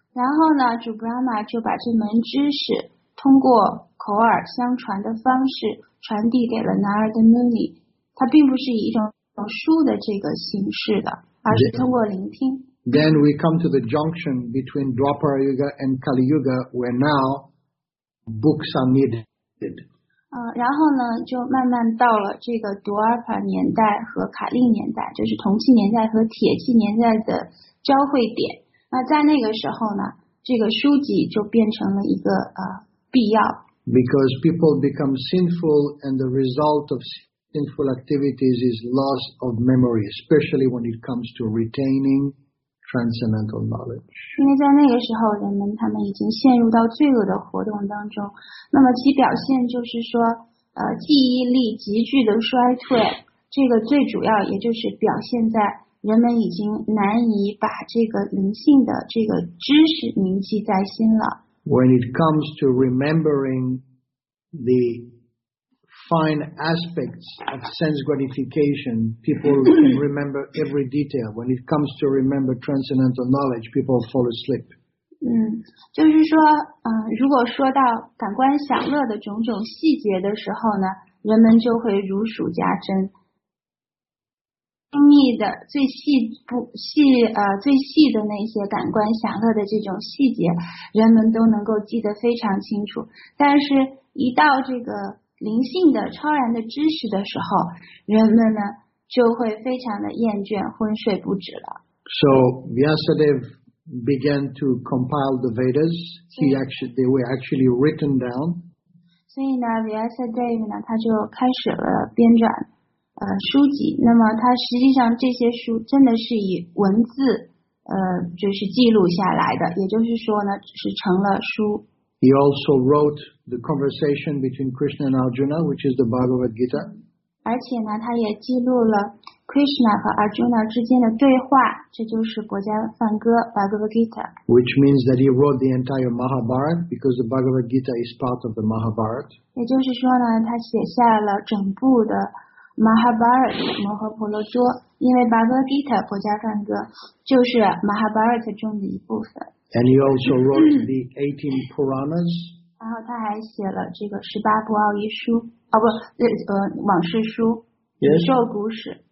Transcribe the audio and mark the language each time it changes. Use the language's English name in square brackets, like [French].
[Chinese] 然后呢主 Brahma 就把这门知识通过口耳相传的方式传递给了 Narada Muni 它并不是以一种书的这个形式的而是通过聆听 [English] Then we come to the junction between Dwapara Yuga and Kali Yuga where now books are needed [Chinese] 然后呢就慢慢到了这个 Dwapara 年代和卡利年代就是铜器年代和铁器年代的交汇点那在那个时候呢这个书籍就变成了一个必要 [English] Because people become sinful and the result of sinful activities is loss of memory, especially when it comes to retaining transcendental knowledge. [Chinese] 因为在那个时候，人们他们已经陷入到罪恶的活动当中，那么其表现就是说，记忆力急剧的衰退。这个最主要也就是表现在人们已经难以把这个灵性的这个知识铭记在心了。 [English] When it comes to remembering the fine aspects of sense gratification, people can remember every detail. When it comes to remember transcendental knowledge, people fall asleep. [Chinese] 嗯，就是说，如果说到感官享乐的种种细节的时候呢，人们就会如数家珍。精密的最细部细最细的那些感官享乐的这种细节，人们都能够记得非常清楚。但是，一到这个灵性的超然的知识的时候，人们呢就会非常的厌倦，昏睡不止了。 [English] So Vyasadeva began to compile the Vedas. They were actually written down. [Chinese] 所以呢 ，Vyasadeva 呢他就开始了编撰。书籍，那么它实际上这些书真的是以文字，就是记录下来的，也就是说呢，是成了书。 [English] He also wrote the conversation between Krishna and Arjuna, which is the Bhagavad Gita. [Chinese] 而且呢，他也记录了 Krishna 和 Arjuna 之间的对话，这就是国家梵歌 Bhagavad Gita. [English] Which means that he wrote the entire Mahabharata because the Bharata Gita is part of the Mahabharata. [Chinese] 也就是说呢，他写下了整部的。 Mahabharata 摩诃婆罗多，因为 Bhagavad Gita 国家梵歌就是 Mahabharata 中的一部分。 [English] And he also wrote the 18 Puranas. [Chinese] 然后他还写了这个十八部奥义书，哦不，往事书，宇宙古史。